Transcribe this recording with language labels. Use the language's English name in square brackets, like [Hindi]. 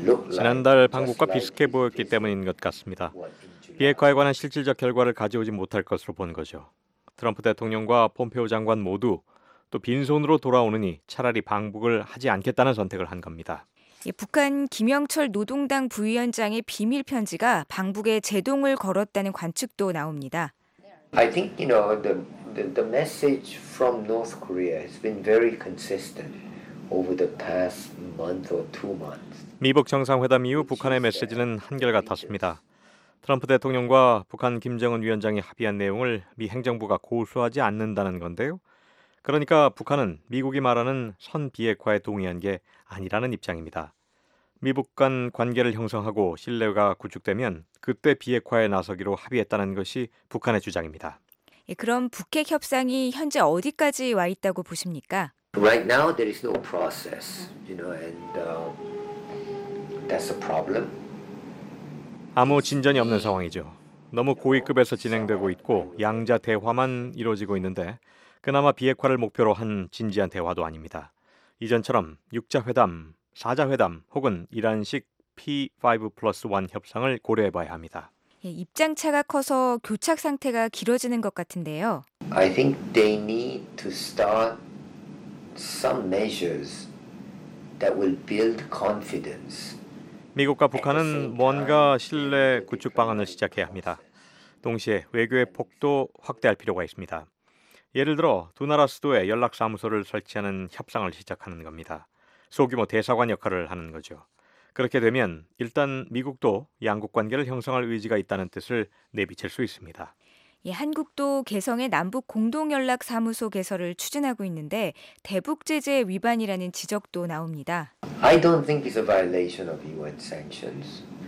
[Korean] 지난달 방북과 비슷해 보였기 때문인 것 같습니다. 비핵화에 관한 실질적 결과를 가져오지 못할 것으로 본 거죠. 트럼프 대통령과 폼페오 장관 모두 또 빈손으로 돌아오느니 차라리 방북을 하지 않겠다는 선택을 한 겁니다. 북한 김영철 노동당 부위원장의 비밀 편지가 방북에 제동을 걸었다는 관측도 나옵니다. [English] I think you know the message from North Korea has been very consistent over the past month or two months. [Korean] 미북 정상회담 이후 북한의 메시지는 한결같았습니다. 트럼프 대통령과 북한 김정은 위원장이 합의한 내용을 미 행정부가 고수하지 않는다는 건데요. 그러니까 북한은 미국이 말하는 선비핵화에 동의한 게 아니라는 입장입니다. 미북 간 관계를 형성하고 신뢰가 구축되면 그때 비핵화에 나서기로 합의했다는 것이 북한의 주장입니다. 예, 그럼 북핵 협상이 현재 어디까지 와 있다고 보십니까? [English] Right now there is no process, you know, and that's a problem. [Korean] 아무 진전이 없는 상황이죠. 너무 고위급에서 진행되고 있고 양자 대화만 이루어지고 있는데 그나마 비핵화를 목표로 한 진지한 대화도 아닙니다. 이전처럼 6자 회담, 4자 회담 혹은 이란식 P5+1 협상을 고려해봐야 합니다. 예, 입장차가 커서 교착 상태가 길어지는 것 같은데요. [English] I think they need to start some measures that will build confidence. [Korean] 미국과 북한은 뭔가 신뢰 구축 방안을 시작해야 합니다. 동시에 외교의 폭도 확대할 필요가 있습니다. 예를 들어 두 나라 수도에 연락사무소를 설치하는 협상을 시작하는 겁니다. 소규모 대사관 역할을 하는 거죠. 그렇게 되면 일단 미국도 양국 관계를 형성할 의지가 있다는 뜻을 내비칠 수 있습니다. 예, 한국도 개성의 남북 공동연락사무소 개설을 추진하고 있는데 대북 제재 위반이라는 지적도 나옵니다. [English] I don't think it's a violation of UN sanctions.